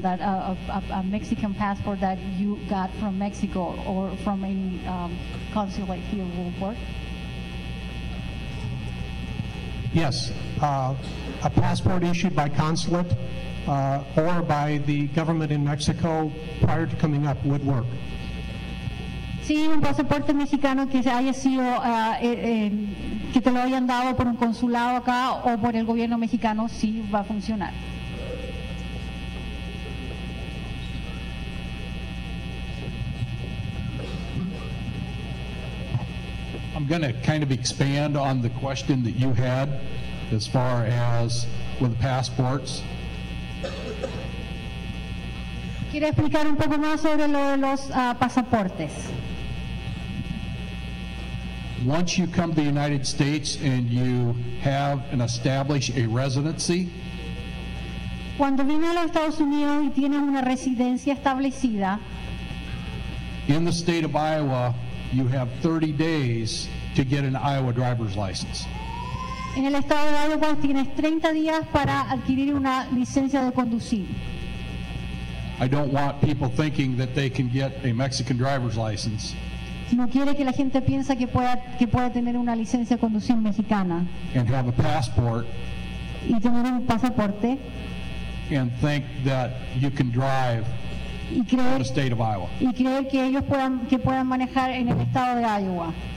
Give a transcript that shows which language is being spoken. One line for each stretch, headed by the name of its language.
English: That a Mexican passport that you got from Mexico or from any consulate here will work? Yes, a passport issued by consulate or by the government in Mexico prior to coming up would work.
Spanish: Sí, un pasaporte mexicano que haya sido que te lo hayan dado por un consulado acá o por el gobierno mexicano sí va a funcionar.
English: I'm going to kind of expand on the question that you had as far as with passports.
Spanish: Quiero explicar un poco más sobre lo de los pasaportes.
English: Once you come to the United States and you have and establish a residency,
Spanish: cuando vienes a los Estados Unidos y tienes una residencia establecida,
English: in the state of Iowa, you have 30 days to get an Iowa driver's license.
Spanish: En el estado de Iowa tienes 30 días para adquirir una licencia de conducir.
English: I don't want people thinking that they can get a Mexican driver's license.
Spanish: No quiere que la gente piense que pueda tener una licencia de conducción mexicana
English: and have a passport
Spanish: y tener un pasaporte
English: and think that you can drive in the state of Iowa
Spanish: y creer que ellos puedan manejar en el estado de Iowa.